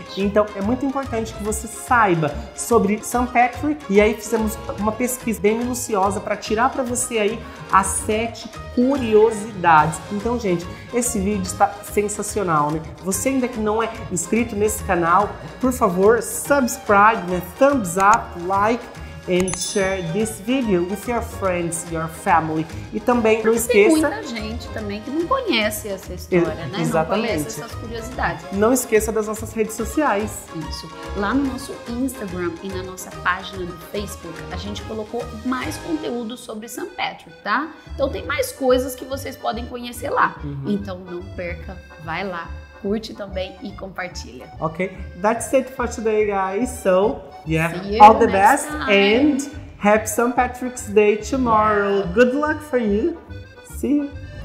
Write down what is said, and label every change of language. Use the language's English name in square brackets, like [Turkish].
[Portuguese] Então, é muito importante que você saiba sobre St. Patrick e aí fizemos uma pesquisa bem minuciosa pra tirar pra você aí as 7 curiosidades. Então, gente, esse vídeo está sensacional, né? Você ainda que não é inscrito nesse canal, por favor, [English] subscribe, [Portuguese] né? [English] Thumbs up, like and share this video with your friends, your family. [Portuguese] E também, porque não esqueça... tem muita gente também que não conhece essa história, né? Exatamente. Não conhece essas curiosidades. Não esqueça das nossas redes sociais. Isso. Lá no nosso Instagram e na nossa página do Facebook, a gente colocou mais conteúdo sobre St. Patrick, tá? Então tem mais coisas que vocês podem conhecer lá. Uhum. Então não perca, vai lá, curte também e compartilha. [English] Ok? That's it for today, guys. So... yeah. See you all the best time. And happy St. Patrick's Day tomorrow. Yeah. Good luck for you. See you.